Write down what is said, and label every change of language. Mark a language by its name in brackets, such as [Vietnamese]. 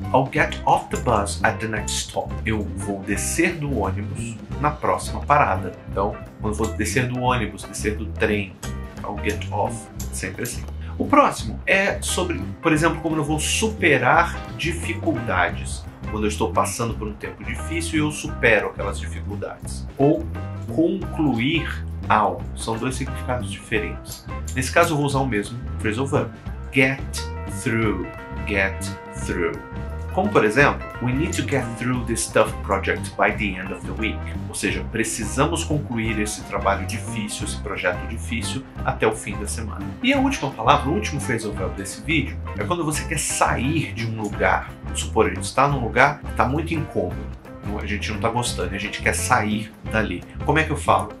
[English] I'll get off the bus at the next stop. [Portuguese] Eu vou descer do ônibus na próxima parada. Então, quando eu vou descer do ônibus, descer do trem, I'll get off, sempre assim. O próximo é sobre, por exemplo, como eu vou superar dificuldades. Quando eu estou passando por um tempo difícil e eu supero aquelas dificuldades. Ou concluir algo. São dois significados diferentes. Nesse caso, eu vou usar o mesmo phrasal verb. Get through. Get through. Como, por exemplo, [English] we need to get through this tough project by the end of the week. [Portuguese] Ou seja, precisamos concluir esse trabalho difícil, esse projeto difícil, até o fim da semana. E a última palavra, o último phrasal verb desse vídeo, é quando você quer sair de um lugar. Vamos supor, a gente está num lugar que está muito incômodo. A gente não está gostando, a gente quer sair dali. Como é que eu falo?